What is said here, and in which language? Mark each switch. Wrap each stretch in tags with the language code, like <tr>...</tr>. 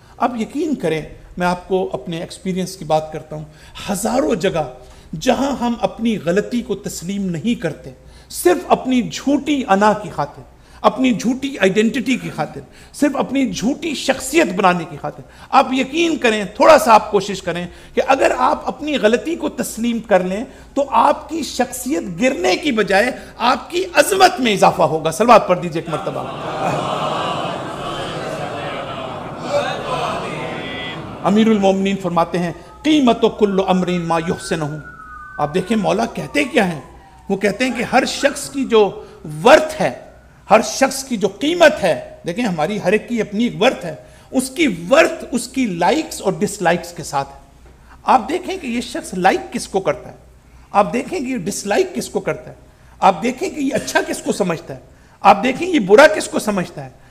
<ur>اب یقین کریں, میں آپ کو اپنے ایکسپیرینس کی بات کرتا ہوں, ہزاروں جگہ جہاں ہم اپنی غلطی کو تسلیم نہیں کرتے صرف اپنی جھوٹی انا کی خاطر, اپنی جھوٹی آئیڈینٹیٹی کی خاطر, صرف اپنی جھوٹی شخصیت بنانے کی خاطر, آپ یقین کریں, تھوڑا سا آپ کوشش کریں کہ اگر آپ اپنی غلطی کو تسلیم کر لیں تو آپ کی شخصیت گرنے کی بجائے آپ کی عظمت میں اضافہ ہوگا. سلوات پڑھ دیجئے ایک مرتبہ. امیر المومنین فرماتے ہیں</ur> <ar>قیمت و کل امرین ما یحسنہ.</ar> <ur>آپ دیکھیں مولا کہتے کیا ہیں, وہ کہتے ہیں کہ ہر شخص کی جو ورتھ ہے, ہر شخص کی جو قیمت ہے, دیکھیں ہماری ہر ایک کی اپنی ایک ورتھ ہے, اس کی ورتھ اس کی لائکس اور ڈس لائکس کے ساتھ ہے. آپ دیکھیں کہ یہ شخص لائک کس کو کرتا ہے, آپ دیکھیں کہ یہ ڈس لائک کس کو کرتا ہے, آپ دیکھیں کہ یہ اچھا کس کو سمجھتا ہے, آپ دیکھیں یہ برا کس کو سمجھتا ہے.</ur>